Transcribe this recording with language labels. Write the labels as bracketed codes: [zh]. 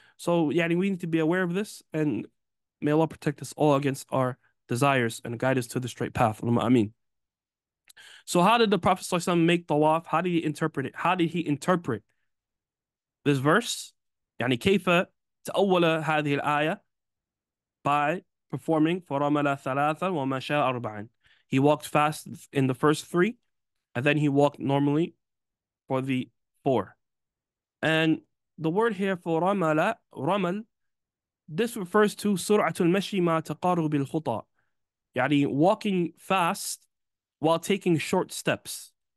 [en] So yani, we need to be aware of this, and may Allah protect us all against our desires and guide us to the straight path. Ameen. So how did the Prophet ﷺ make tawaf? How did he interpret it? How did he interpret this verse? [ar] يعني كيف تأول هذه الآية? [en] By performing [ar] فَرَمَلَ ثَلَاثًا وَمَشَى أَرْبَعًا. [en] He walked fast in the first three, and then he walked normally for the four. And the word here for رَمَلَ, رَمَل, this refers to [ar] سُرْعَةُ الْمَشِي مَا تَقَارُبِ الْخُطَى. يعني [en] walking fast while taking short steps.